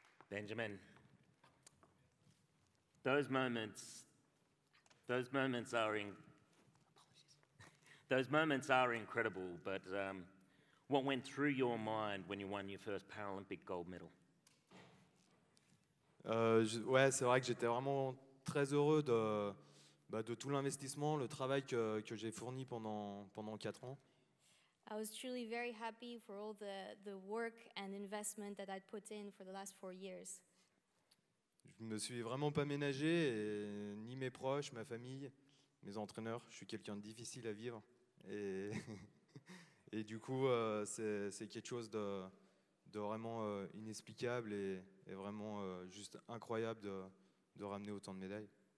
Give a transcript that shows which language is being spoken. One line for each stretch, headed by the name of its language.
English: Benjamin, those moments are incredible, but what went through your mind when you won your first Paralympic gold medal?
French: Ouais, c'est vrai que j'étais vraiment très heureux de tout l'investissement, le travail que j'ai fourni pendant 4 ans.
English: I was truly very happy for all the work and investment that I'd put in for the last 4 years.
French: Je me suis vraiment pas ménagé, ni mes proches, ma famille, mes entraîneurs. Je suis quelqu'un de difficile à vivre. Et du coup, c'est quelque chose de vraiment inexplicable et vraiment juste incroyable de ramener autant de médailles.